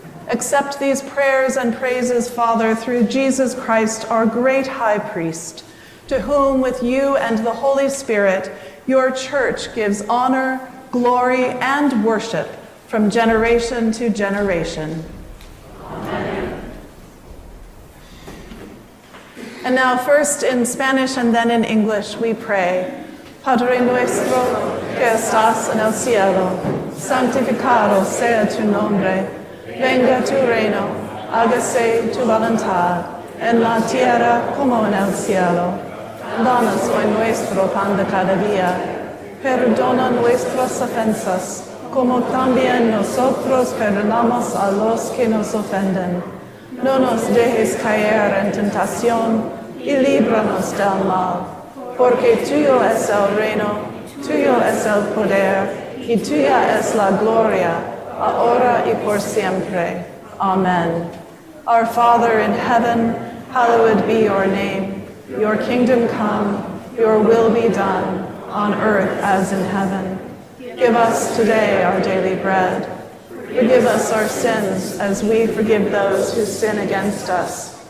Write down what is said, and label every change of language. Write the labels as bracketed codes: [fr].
[en] Accept these prayers and praises, Father, through Jesus Christ, our great High Priest, to whom with you and the Holy Spirit, your Church gives honor, glory, and worship from generation to generation. And now first in Spanish and then in English we pray. [es] Padre nuestro que estás en el cielo, santificado sea tu nombre. Venga tu reino, hágase tu voluntad, en la tierra como en el cielo. Danos hoy nuestro pan de cada día. Perdona nuestras ofensas, como también nosotros perdonamos a los que nos ofenden. No nos dejes caer en tentación, y líbranos del mal. Porque tuyo es el reino, tuyo es el poder, y tuya es la gloria, ahora y por siempre. [en] Amen. Our Father in heaven, hallowed be your name. Your kingdom come, your will be done, on earth as in heaven. Give us today our daily bread. Forgive us our sins as we forgive those who sin against us.